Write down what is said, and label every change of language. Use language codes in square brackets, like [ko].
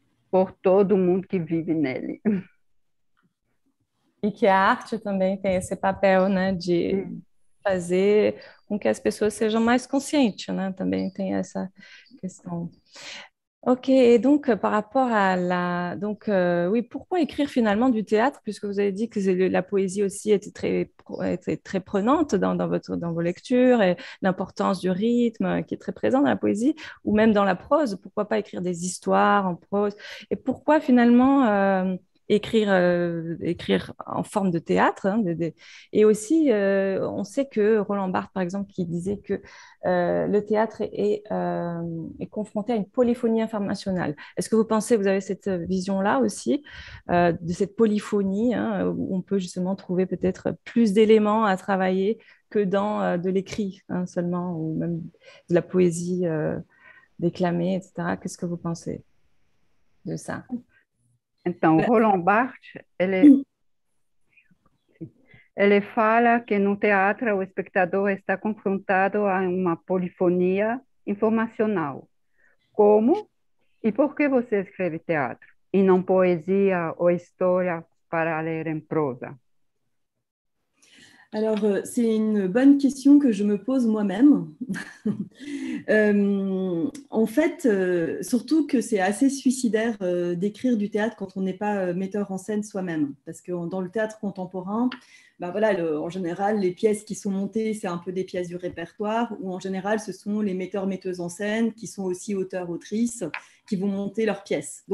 [pt] Por todo mundo que vive nele. E que a arte também tem esse papel, né, de fazer com que as pessoas sejam mais conscientes, né? Também tem essa questão. [fr] Ok, et donc par rapport à la... Donc, oui, pourquoi écrire finalement du théâtre, puisque vous avez dit que la poésie aussi était très prenante dans vos lectures, et l'importance du rythme qui est très présent dans la poésie, ou même dans la prose, pourquoi pas écrire des histoires en prose, et pourquoi finalement écrire en forme de théâtre, hein, et aussi, on sait que Roland Barthes, par exemple, qui disait que le théâtre est confronté à une polyphonie informationnelle. Est-ce que vous pensez, vous avez cette vision-là aussi, de cette polyphonie, hein, où on peut justement trouver peut-être plus d'éléments à travailler que dans de l'écrit, hein, seulement, ou même de la poésie déclamée, etc. Qu'est-ce que vous pensez de ça? [pt] Então, Roland Barthes, ele fala que no teatro o espectador está confrontado a uma polifonia informacional. Como e por que você escreve teatro e não poesia ou história para ler em prosa? [fr] Alors, c'est une bonne question que je me pose moi-même. En fait, surtout que c'est assez suicidaire d'écrire du théâtre quand on n'est pas metteur en scène soi-même. Parce que dans le théâtre contemporain, en général, les pièces qui sont montées, c'est un peu des pièces du répertoire, ou en général, ce sont les metteurs-metteuses en scène qui sont aussi auteurs-autrices qui vont monter leurs pièces.